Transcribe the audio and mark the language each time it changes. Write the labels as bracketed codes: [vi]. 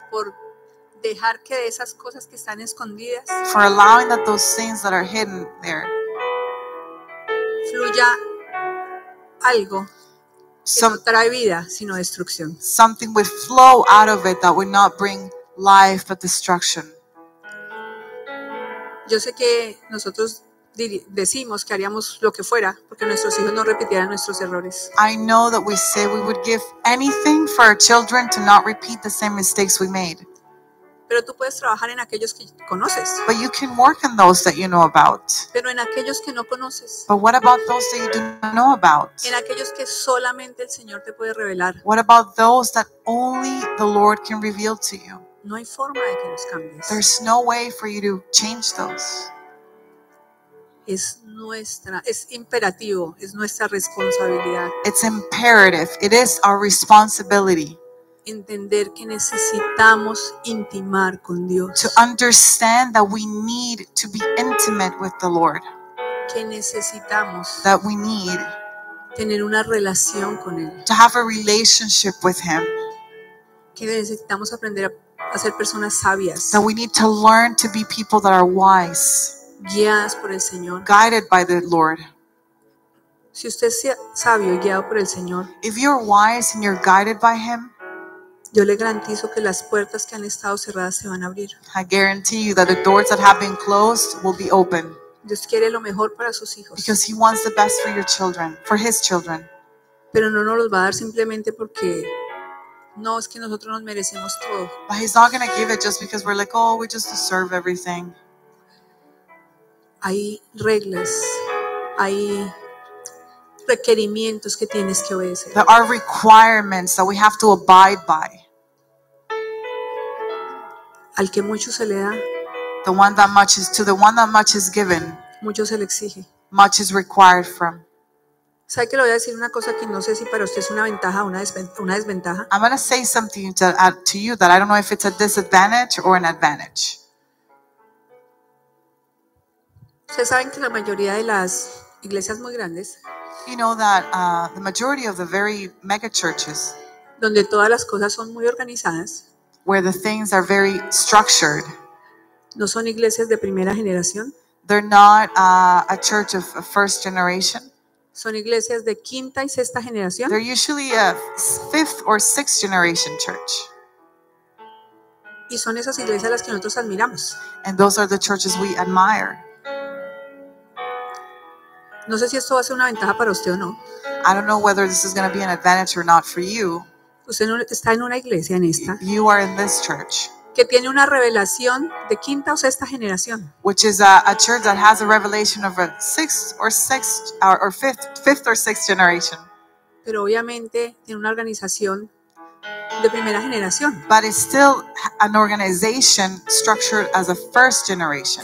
[es] Por dejar que esas cosas que están escondidas. [en] For allowing that those things that are hidden there. [es] Fluya algo. Que no trae vida, sino destrucción. [en] Something would flow out of it that would not bring life but destruction. [es] Yo sé que nosotros decimos que haríamos lo que fuera porque nuestros hijos no repitieran nuestros errores. [en] I know that we say we would give anything for our children to not repeat the same mistakes we made. [es] Pero tú puedes trabajar en aquellos que conoces. [en] But you can work on those that you know about. [es] Pero en aquellos que no conoces. [en] But what about those that you do not know about? [es] En aquellos que solamente el Señor te puede revelar. [en] What about those that only the Lord can reveal to you? [es] No hay forma de que los cambies. [en] There's no way for you to change those. [es] Es nuestra, es imperativo, es nuestra responsabilidad. [en] It's imperative. It is our responsibility. [es] Entender que necesitamos intimar con Dios. [en] To understand that we need to be intimate with the Lord. [es] Que necesitamos. [en] That we need. [es] Tener una relación con él. [en] To have a relationship with him. [es] Que necesitamos aprender a ser personas sabias. [en] That we need to learn to be people that are wise. [es] Guiadas por el Señor. [en] Guided by the Lord. [es] Si usted es sabio y guiado por el Señor. [en] If you're wise and you're guided by him. [es] Yo le garantizo que las puertas que han estado cerradas se van a abrir. [en] I guarantee you that the doors that have been closed will be open. [es] Dios quiere lo mejor para sus hijos. [en] Because he wants the best for your children, for his children. [es] Pero no nos los va a dar simplemente porque no, es que nosotros nos merecemos todo. [en] But he's not going to give it just because we're like, oh, we just deserve everything. [es] Hay reglas, hay requerimientos que tienes que obedecer. [en] There are requirements that we have to abide by. [es] Al que mucho se le da, [en] the one that much is, to the one that much is given, [es] mucho se le exige, [en] much is required from. [es] ¿Sabe que le voy a decir una cosa que no sé si para usted es una ventaja o una desventaja? [en] I'm going to say something to you that I don't know if it's a disadvantage or an advantage. [es] ¿Ustedes saben que la mayoría de las iglesias muy grandes, [en] you know that the majority of the very mega churches, [es] donde todas las cosas son muy organizadas, [en] where the things are very structured, [es] no son iglesias de primera generación, [en] they're not a church of first generation, [es] son iglesias de quinta y sexta generación, [en] they're usually a fifth or sixth generation church, [es] y son esas iglesias las que nosotros admiramos, [en] and those are the churches we admire. [es] No sé si esto va a ser una ventaja para usted o no. [en] I don't know whether this is going to be an advantage or not for you. [es] Usted no está en una iglesia en esta. [en] You are in this church. [es] Que tiene una revelación de quinta o sexta generación. [en] Which is a church that has a revelation of a fifth or sixth generation. [es] Pero obviamente tiene una organización de primera generación. [en] But it's still an organization structured as a first generation.